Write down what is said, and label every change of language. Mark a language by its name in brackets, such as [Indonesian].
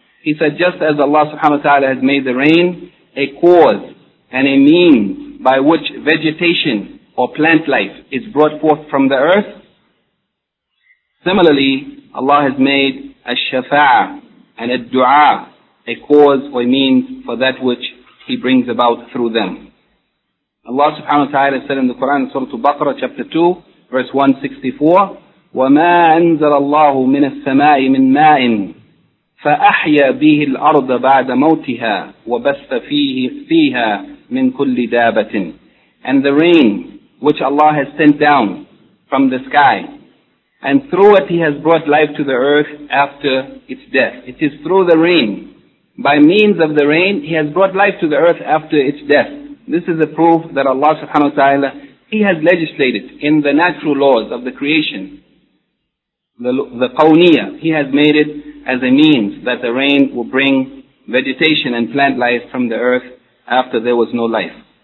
[English] He said, just as Allah subhanahu wa ta'ala has made the rain a cause and a means by which vegetation or plant life is brought forth from the earth, similarly, Allah has made al-shafa'ah and al-du'a a cause or a means for that which He brings about through them. Allah subhanahu wa ta'ala said in the Quran, Surah Al-Baqarah, chapter 2, verse 164, [Arabic] وَمَا أَنزَلَ اللَّهُ مِنَ السَّمَاءِ مِنْ مَاءٍ فَأَحْيَى بِهِ الْأَرْضَ بَعْدَ مَوْتِهَا وَبَثَّ فِيهَا مِنْ كُلِّ دَابَةٍ. [English] And the rain which Allah has sent down from the sky, and through it He has brought life to the earth after its death. It is through the rain, by means of the rain, He has brought life to the earth after its death. This is a proof that Allah subhanahu wa ta'ala, He has legislated in the natural laws of the creation, the qawniyah, He has made it as a means that the rain will bring vegetation and plant life from the earth after there was no life.